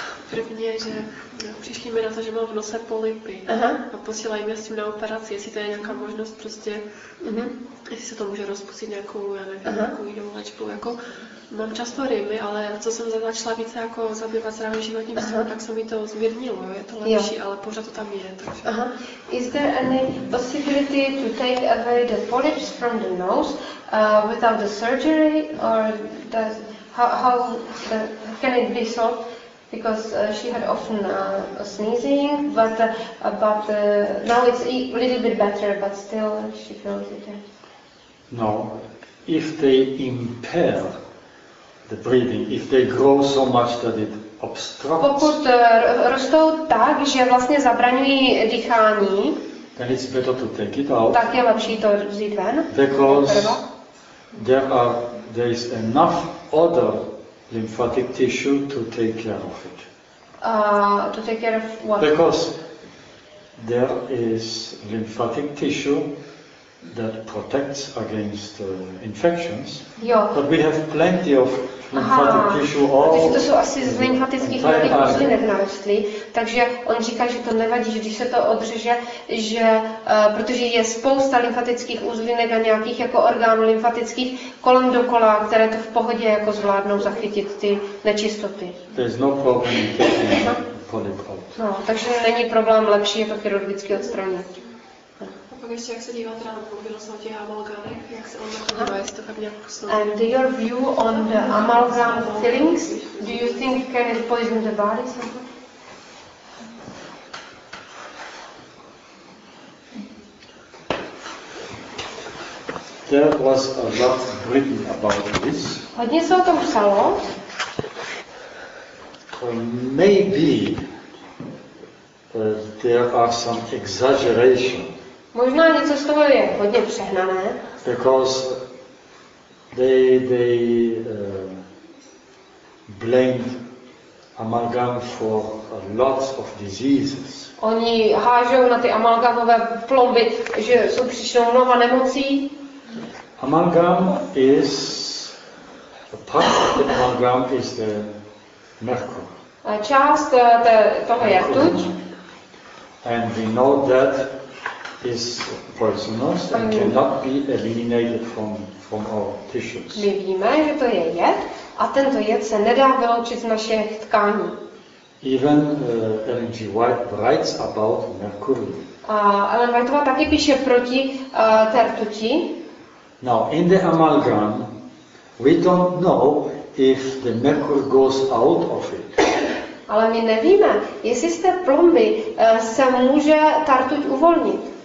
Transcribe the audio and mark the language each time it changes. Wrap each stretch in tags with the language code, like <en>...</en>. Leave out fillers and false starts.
<cs>Prvně, že přišli mi na to, že mám v nose polypy a posílají mě s tím na operaci, jestli to je nějaká možnost prostě, jestli se to může rozpustit nějakou, já nevím, nějakou jinou léčbu. Jako, mám často rýmy, ale co jsem začala více jako zabývat zdravým životním stylem, tak se mi to zmírnilo, je to lepší, ale pořád to tam je. Takže.</cs> <en>Is there any possibility to take away the polyps from the nose without the surgery, or does, how the, can it be solved? Because she had often sneezing, but now it's a little bit better, but still she feels it. No, if they impair the breathing, if they grow so much that it obstructs.</en> <cs>Pokud rostou tak, že vlastně zabraňují dýchání.</cs> <en>Then it's better to take it out.</en> <cs>Tak je lepší to vzít ven.</cs> <en>Because there is enough other lymphatic tissue to take care of it. To take care of what? Because there is lymphatic tissue that protects against infections.</en> <cs>Jo.</cs> <en>But we have plenty of lymphatic tissue all.</en> <cs>Takže to jsou asi z lymfatických tkání prostě nevnáčtli. Takže on říká, že to nevadí, že když se to odřeže, že protože je spousta lymfatických uzlinek a nějakých jako orgánů lymfatických kolem dokola, které to v pohodě jako zvládnou zachytit ty nečistoty.</cs> <en>There is no problem in taking the polyp out.</en> <cs>No, takže není problém, lepší je to chirurgicky odstranit.</cs> <en>And your view on the amalgam fillings, do you think can it poison the body somehow? There was a lot written about this.</en> <cs>Hodně se o tom psalo.</cs> <en>Maybe there are some exaggerations.</en> <cs>Možná něco z toho je hodně přehnané.</cs> <en>Because they blamed amalgam for lots of diseases.</en> <cs>Oni hážou na ty amalgamové plomby, že jsou příčinou mnoha nemocí.</cs> <en>Amalgam is a part of the amalgam is the mercury.</en> <cs>A část toho je rtuť.</cs> <en>And we know that is poisonous and cannot be eliminated from our tissues.</en> <cs>My víme, že to je jed a tento jed se nedá vyloučit z našich tkání.</cs> <en>Even Ellen G. White writes about mercury.</en> <cs>A Ellen Whiteová taky píše proti té rtuti.</cs> <en>Now in the amalgam we don't know if the mercury goes out of it. Ale my nevíme, jestli z té plomby se může ta rtuť uvolnit.</en>